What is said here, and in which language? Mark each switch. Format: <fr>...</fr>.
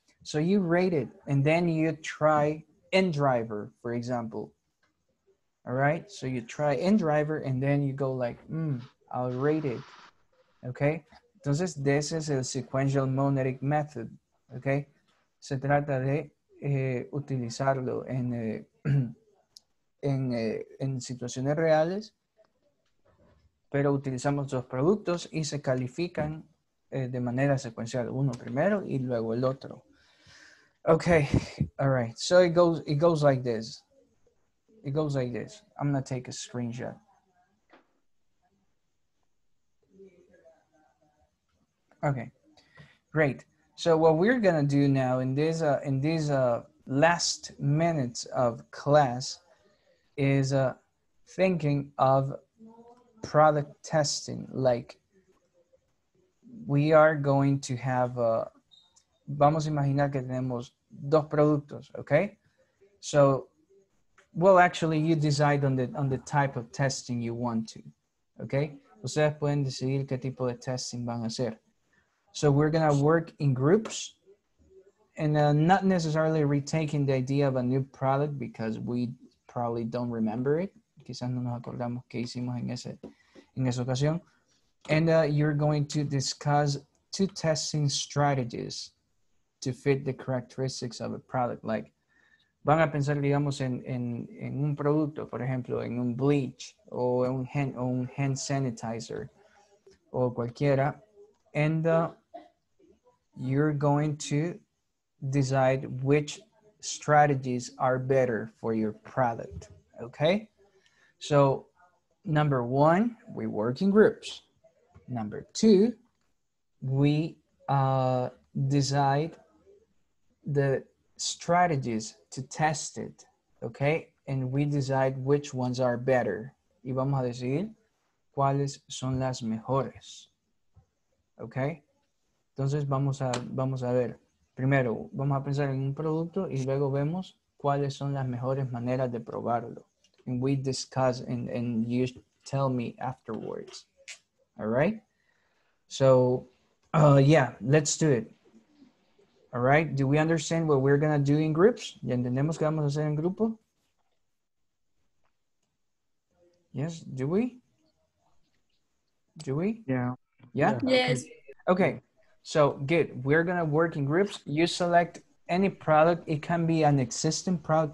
<en>So you rate it and then you try InDriver, for example. All right, so you try InDriver and then you go like, I'll rate it, okay?</en> <es>Entonces,</es> <en>this is a sequential monadic method, okay?</en> <es>Se trata de utilizarlo en... En situaciones reales, pero utilizamos dos productos y se califican de manera secuencial, uno primero y luego el otro.</es> <en>Okay, all right. So it goes like this. It goes like this. I'm gonna take a screenshot. Okay, great. So what we're gonna do now in these last minutes of class is thinking of product testing. Like, we are going to have</en> <es>vamos a imaginar que tenemos dos productos,</es> <en>okay? So, well, actually, you decide on the type of testing you want to, okay?</en> <es>Ustedes pueden decidir qué tipo de testing van a hacer.</es> <en>So we're gonna work in groups, and not necessarily retaking the idea of a new product because we probably don't remember it.</en> <es>Quizás no nos acordamos qué hicimos en esa ocasión.</es> <en>And you're going to discuss 2 testing strategies to fit the characteristics of a product.</en> <es>Like, van a pensar, digamos, en un producto, por ejemplo, en un bleach o un hand sanitizer o cualquiera.</es> <en>And you're going to decide which strategies are better for your product, okay? So, number one, we work in groups. Number two, we decide the strategies to test it, okay? And we decide which ones are better.</en> <es>Y vamos a decir cuáles son las mejores, okay? Entonces vamos a ver. Primero, vamos a pensar en un producto y luego vemos cuáles son las mejores maneras de probarlo.</es> <en>And we discuss and you tell me afterwards. All right? So, yeah, let's do it. All right? Do we understand what we're going to do in groups?</en> <es>¿Ya entendemos qué vamos a hacer en grupo?</es> <en>Yes, do we? Do we? Yeah. Yeah? Yes. Okay. So good, we're gonna work in groups. You select any product. It can be an existing product.</en>